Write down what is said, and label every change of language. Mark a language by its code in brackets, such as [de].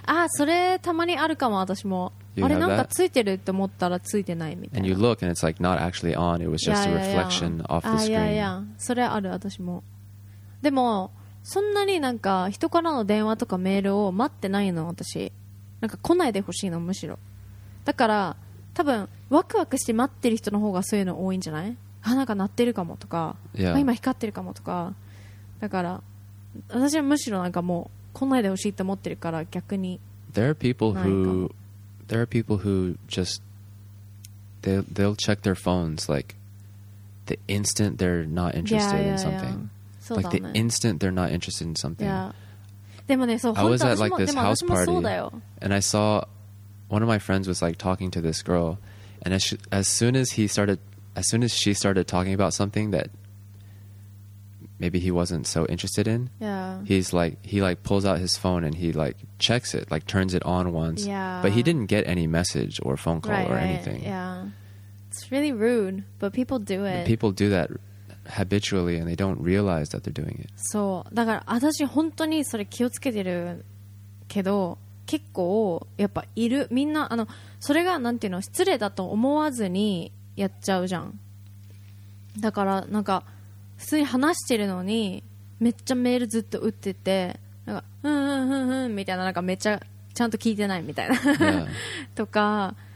[ja] それたまにあるかも私も。あれなんかついてるって思ったらついてないみたいな。 [en] And you look and it's like not actually on. It was just a reflection off the screen. [ja] それある私も。でも。そんなになんか人からの電話とかメールを待ってないの私、なんか来ないでほしいのむしろ。だから多分ワクワクして待ってる人の方がそういうの多いんじゃない？あ、なんか鳴ってるかもとか、 [en] yeah. [ja] 今光ってるかもとか。だから私はむしろなんかもう来ないでほしいって思ってるから逆に。 [en] There are people who just they'll check their phones like the instant they're not interested in something. Like the instant they're not interested in something. I was at like this house party, and I saw one of my friends was like talking to this girl, and as soon as she started talking about something that maybe he wasn't so interested in, he pulls out his phone and he like checks it, like turns it on once, but he didn't get any message or phone call or anything. Yeah, it's really rude, but people do it. People do that. Habitually, and they don't realize that they're doing it. [ja] そう、だから私本当にそれ気をつけてるけど、結構やっぱいる。みんなあのそれがなんていうの、失礼だと思わずにやっちゃうじゃん。だからなんか普通に話してるのにめっちゃメールずっと打ってて、なんかみたいな、なんかめっちゃちゃんと聞いてないみたいな、とか。